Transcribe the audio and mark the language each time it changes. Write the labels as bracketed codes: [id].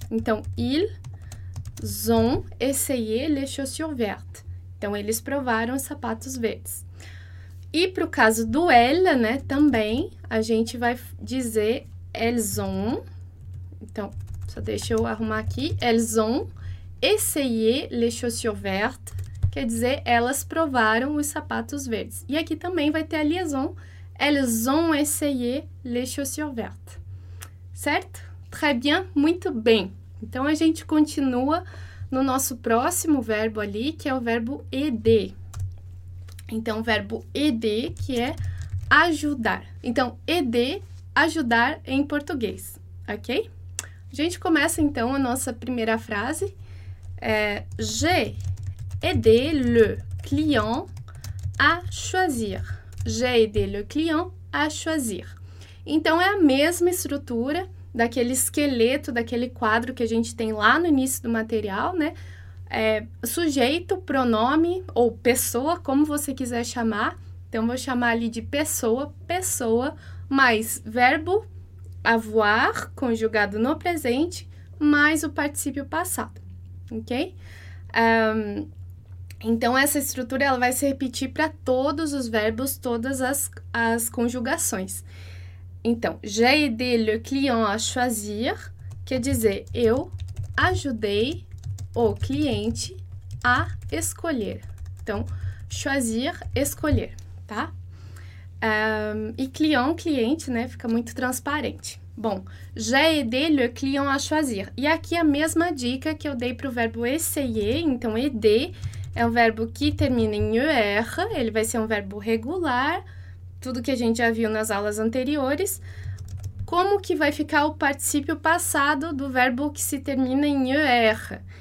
[fr] Então, ils ont essayé les chaussures vertes. [pt] Então, eles provaram os sapatos verdes. E para o caso do elle, né, também a gente vai dizer [fr] elles ont. [pt] Então, só deixa eu arrumar aqui. [fr] Elles ont essayé les chaussures vertes, [pt] quer dizer, elas provaram os sapatos verdes. E aqui também vai ter a liaison, [fr] elles ont essayé les chaussures vertes. [pt] Certo? [fr] Très bien, [pt] muito bem. Então a gente continua no nosso próximo verbo ali, que é o verbo aider. Então, o verbo aider, que é ajudar. Então, aider, ajudar em português, ok? A gente começa então a nossa primeira frase. [fr] J'ai aidé le client à choisir. J'ai aidé le client à choisir. [pt] Então, é a mesma estrutura daquele esqueleto, daquele quadro que a gente tem lá no início do material, né? Sujeito, pronome ou pessoa, como você quiser chamar. Então, vou chamar ali de pessoa, mais verbo avoir conjugado no presente mais o participio passado, ok? Então, essa estrutura ela vai se repetir para todos os verbos, todas as conjugações. Então, [fr] j'ai aidé le client à choisir, [pt] quer dizer, eu ajudei o cliente a escolher. Então, choisir, escolher, tá? E client, cliente, né? Fica muito transparente. [fr] Bom, j'ai aidé le client à choisir. [pt] E aqui a mesma dica que eu dei para o verbo essayer. Então, aidé é um verbo que termina em er, ele vai ser um verbo regular. Tudo que a gente já viu nas aulas anteriores. Como que vai ficar o participio passado do verbo que se termina em er?